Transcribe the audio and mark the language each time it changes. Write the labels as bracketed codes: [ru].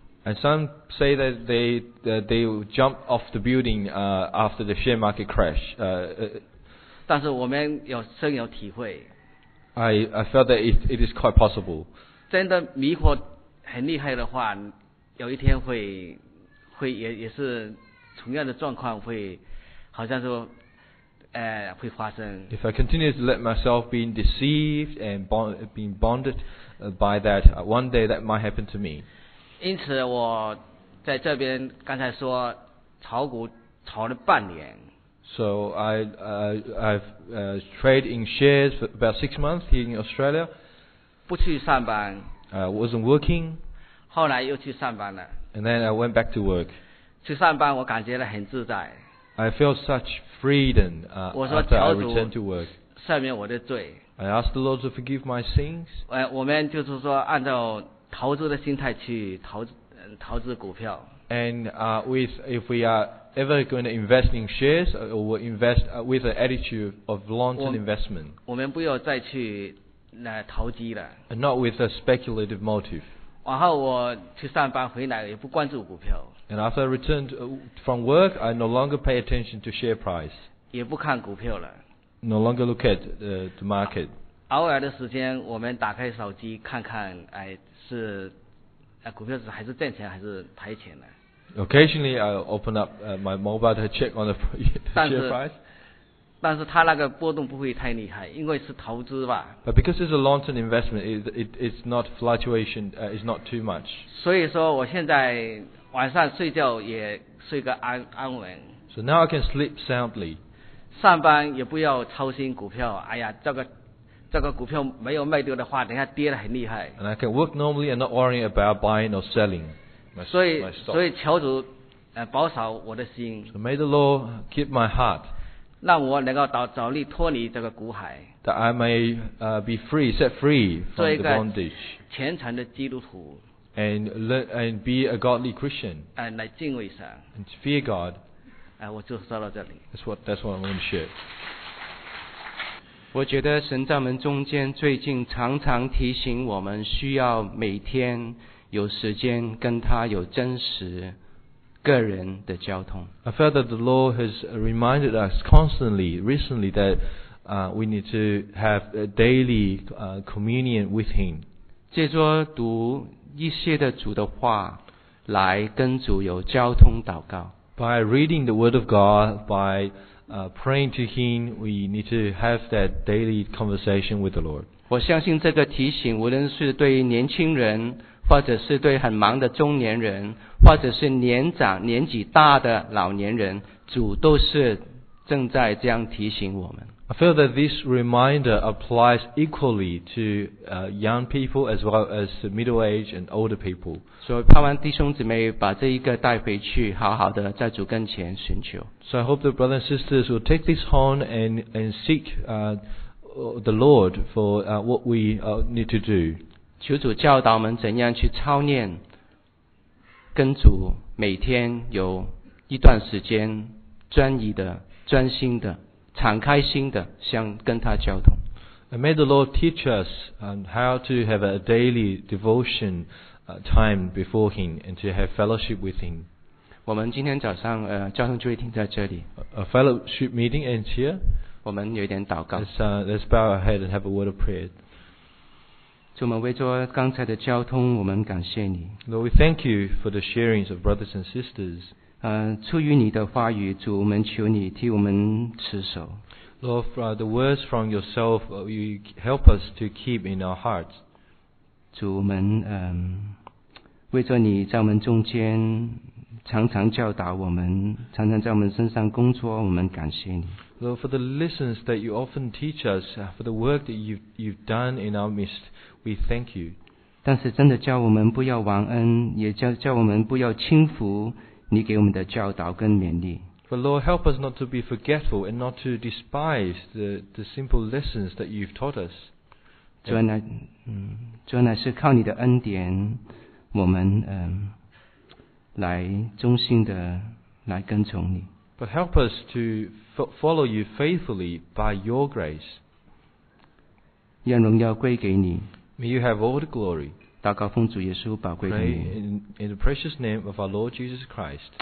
[en] And some say that they jump off the building after the share market crash. [zh] 但是我们有深有体会。 [en] I felt that it is quite possible. [zh] 真的迷惑很厉害的话，有一天会也是同样的状况会，好像说。会发生。 [en] If I continue to let myself be deceived and being bonded by that, one day that might happen to me. [zh] 因此我在这边刚才说炒股炒了半年。 [en] So I've trade in shares for about 6 months here in Australia. [zh] 不去上班。 [en] Wasn't working. [zh] 后来又去上班了。 [en] And then I went back to work. [zh] 去上班我感觉得很自在。 [en] I felt such freedom after I returned to work. [zh] 赦免我的罪。 [en] I asked the Lord to forgive my sins. [zh] 我们就是说按照投资的心态去投资股票。 [en] And if we are ever going to invest in shares, or we invest with an attitude of long-term investment. [zh] 我们不要再去投机了。 [en] And not with a speculative motive. [zh] 然后我去上班回来也不关注股票。 [en] And after I returned from work, I no longer pay attention to share price. [zh] 也不看股票了。 [en] No longer look at the market. [zh] 偶尔的时间，我们打开手机看看，哎，是股票是还是挣钱还是赔钱呢？ [en] Occasionally, I open up my mobile to check on the share price. [zh] 但是它那个波动不会太厉害，因为是投资吧。 [en] But because it's a long-term investment, it's not fluctuation. It's not too much. [zh] 所以说，我现在。晚上睡觉也睡个安稳。 [en] So now I can sleep soundly. [zh] 上班也不要操心股票，哎呀，这个股票没有卖掉的话，等下跌得很厉害。 [en] And I can work normally and not worrying about buying or selling my stock. [zh] 所以求主保守我的心。 [en] So may the Lord keep my heart. [zh] 让我能够早日脱离这个苦海。 [en] That I may be free, set free from the bondage. [zh] 做一个虔诚的基督徒。 [en] And learn and be a godly Christian. And [zh] 来敬畏神。 [en] And to fear God. [zh] 我就说到这里。 [en] That's what I'm going to share. [zh] 我觉得神在我们中间最近常常提醒我们，需要每天有时间跟他有真实个人的交通。 [en] I felt that the Lord has reminded us constantly recently that we need to have a daily communion with Him. [zh] 借着读。一些的主的话来跟主有交通祷告。 [en] By reading the word of God, by praying to Him, we need to have that daily conversation with the Lord. [zh] 我相信这个提醒，无论是对年轻人，或者是对很忙的中年人，或者是年纪大的老年人，主都是正在这样提醒我们。 [en] I feel that this reminder applies equally to young people as well as middle-aged and older people. [zh] So, 盼望弟兄姊妹把这一个带回去，好好的在主跟前寻求。 [en] So I hope the brothers and sisters will take this home and seek the Lord for what we need to do. [zh] 求主教导我们怎样去操练，跟主每天有一段时间专一的、专心的。敞开心的想跟他交通。 [en] And may the Lord teach us how to have a daily devotion time before Him and to have fellowship with Him. [zh] 我们今天早上交通聚会停在这里。 [en] A fellowship meeting ends here. [zh] 我们有点祷告。 [en] Let's bow our head and have a word of prayer. [zh] 主，我们为着刚才的交通，我们感谢你。 [en] Lord, we thank you for the sharings of brothers and sisters. [zh] 出于你的话语，主，我们求你替我们持守。 [en] Lord, the words from yourself, you help us to keep in our hearts. [zh] 主，我们为着你在我们中间常常教导我们，常常在我们身上工作，我们感谢你。 [en] Lord, for the lessons that you often teach us, for the work that you've done in our midst, we thank you. [zh] 但是真的叫我们不要忘恩，也叫我们不要轻浮。你给我们的教导跟勉励。 [en] But Lord, help us not to be forgetful and not to despise the simple lessons that you've taught us. [zh] 主乃是靠你的恩典，我们来忠心的来跟从你。 [en] But help us to follow you faithfully by your grace. [zh] 愿荣耀归给你。 [en] May you have all the glory. [zh] 祷告奉主耶稣宝贵的名。 [en] Pray in the precious name of our Lord Jesus Christ.